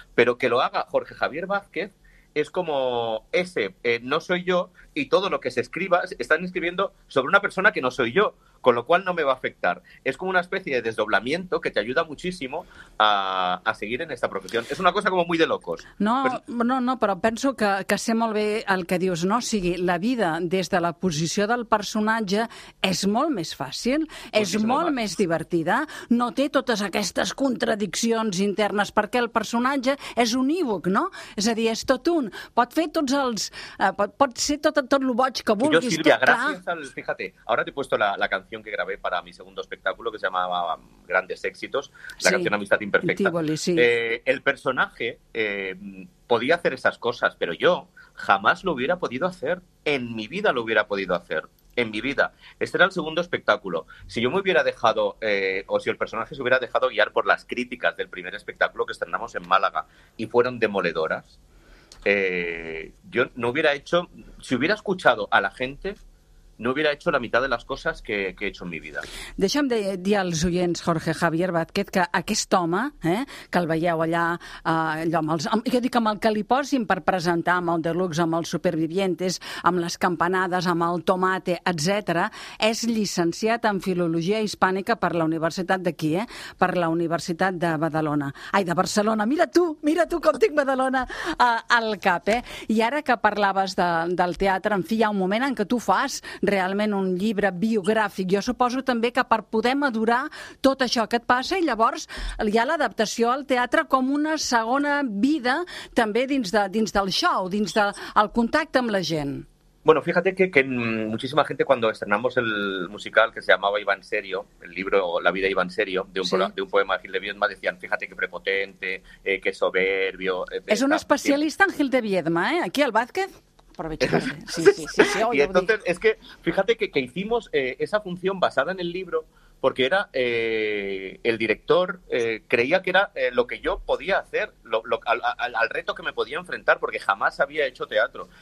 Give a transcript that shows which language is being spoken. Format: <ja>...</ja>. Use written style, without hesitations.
<es>Pero que lo haga Jorge Javier Vázquez es como ese, no soy yo, y todo lo que se escriba están escribiendo sobre una persona que no soy yo, con lo cual no me va a afectar. Es como una especie de desdoblamiento que te ayuda muchísimo a seguir en esta profesión. Es una cosa como muy de locos.</es> <ca>No, però penso que sé molt bé el que dius, no? O sigui, la vida des de la posició del personatge és molt més fàcil, és molt més divertida, no té totes aquestes contradiccions internes, perquè el personatge és un e-book, no? És a dir, és tot un. Pot fer tots els... pot ser tot el boig que vulguis. Jo, Sílvia, gràcies al...</ca> <es>Fíjate, ahora te he puesto la canción que grabé para mi segundo espectáculo que se llamaba Grandes Éxitos, la sí, canción Amistad Imperfecta. Tivoli, sí. El personaje podía hacer esas cosas, pero yo jamás lo hubiera podido hacer, en mi vida lo hubiera podido hacer, en mi vida. Este era el segundo espectáculo. Si yo me hubiera dejado, o si el personaje se hubiera dejado guiar por las críticas del primer espectáculo que estrenamos en Málaga y fueron demoledoras, yo no hubiera hecho, si hubiera escuchado a la gente... no hubiera hecho la mitad de las cosas que he hecho en mi vida.</es> <ca>Deixa'm de dir als oients, Jorge Javier Vázquez, que aquest home, que el veieu allà, allò amb els, jo dic amb el que li posin per presentar, amb el Deluxe, amb els Supervivientes, amb les campanades, amb el Tomate, etc., és llicenciat en Filologia Hispànica per la Universitat d'aquí, per la Universitat de Badalona. Ai, de Barcelona, mira tu com tinc Badalona al cap, I ara que parlaves del teatre, en fi, hi ha un moment en què tu fas... realment un llibre biogràfic. Jo suposo també que per poder madurar tot això que et passa i llavors hi ha l'adaptació al teatre com una segona vida també dins del show, dins del contacte amb la gent.</ca> <es>Bueno, fíjate que muchísima gente cuando estrenamos el musical que se llamaba Iba en serio, el libro La vida Iba en serio, de un poema de Gil de Viedma, decían, fíjate que prepotente, que soberbio...</es> <ca>És un especialista en Gil de Viedma, aquí al Vázquez.</ca> <es>Sí, y entonces, es que fíjate que hicimos esa función basada en el libro porque era el director creía que era lo que yo podía hacer, al reto que me podía enfrentar porque jamás había hecho teatro.</es>